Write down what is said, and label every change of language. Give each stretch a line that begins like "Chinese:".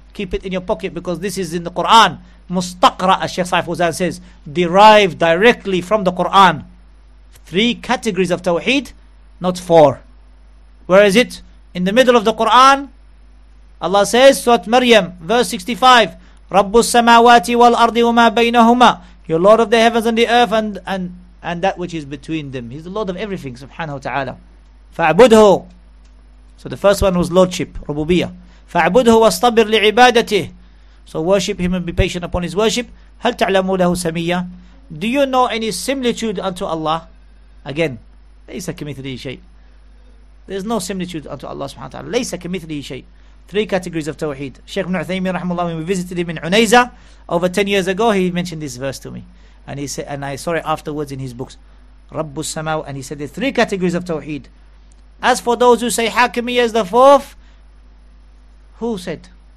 English: Keep it in your pocket, because this is in the Quran.
Arabic: مُسْتَقْرَأَ,
English: as Sheikh Saif Uzan says, derived directly from the Quran. Three categories of Tawheed, not four. Where is it? In the middle of the Quran, Allah says, Surah Maryam, verse 65,
Arabic: رب السماوات والأرض وما بينهما.
English: Your Lord of the heavens and the earth and that which is between them. He's the Lord of everything, subhanahu wa ta'ala.
Arabic: فَاعْبُدْهُ.
English: So the first one was Lordship, Rububiyah.
Arabic: فَاعْبُدْهُ وَاصْطَبِرْ لِعِبَادَتِهِ.
English: So worship him and be patient upon his worship.
Arabic: هَلْ تَعْلَمُ لَهُ سَمِيَّةِ.
English: Do you know any similitude unto Allah?
Arabic: Again, لَيْسَ كَمِثْلِهِ شَيْءٍ.
English: There's no similitude unto Allah subhanahu wa ta'ala.
Arabic: لَيْسَ كَمِثْلِهِ شَيْءٍ.
English: Three categories of Tawheed. Shaykh ibn Uthaymeen rahimahullah, when we visited him in Unayza over 10 years ago, he mentioned this verse to me. And he said, and I saw it afterwards in his books. Rabbu Samaw, and he said there's three categories of Tawheed. As for those who say Hakimiyya is the fourth, who said?